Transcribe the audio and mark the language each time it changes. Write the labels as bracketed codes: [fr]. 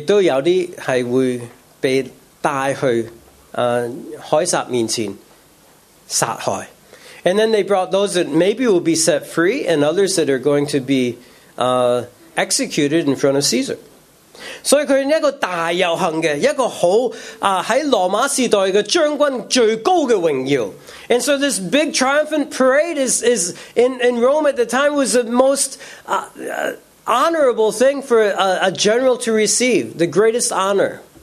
[zh] 跟着最后他有这些可能会被释放,也都有些是会被 带去凯撒面前杀害。 [en] And then they brought those that maybe will be set free and others that are going to be executed in front of Caesar. [zh] 所以他是一个大游行的，一个好在罗马时代的将军最高的荣耀。 [en] And so this big triumphant parade is in Rome at the time was the most honorable thing for a general to receive, the greatest honor.